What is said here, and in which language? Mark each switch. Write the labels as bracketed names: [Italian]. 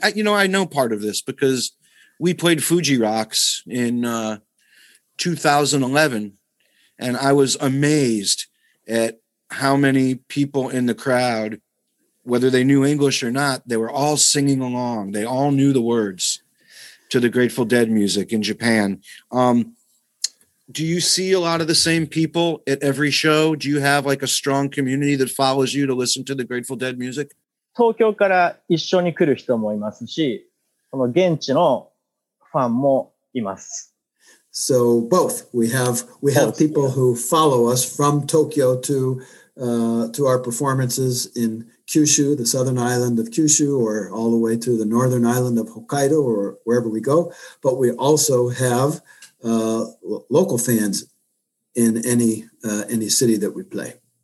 [English] I know part of this because we played Fuji Rocks in 2011, and I was amazed at how many people in the crowd, whether they knew English or not, they were all singing along. They all knew the words to the Grateful Dead music in Japan. Do you see a lot of the same people at every show? Do you have like a strong community that follows you to listen to the Grateful Dead music? [Japanese] 東京から一緒に来る人もいますし、その現地のファンもいます。 [English] So both. We have people who follow us from Tokyo to our performances in Kyushu, the southern island of Kyushu, or all the way to the northern island of Hokkaido or wherever we go. But we also have local fans in any city that we play.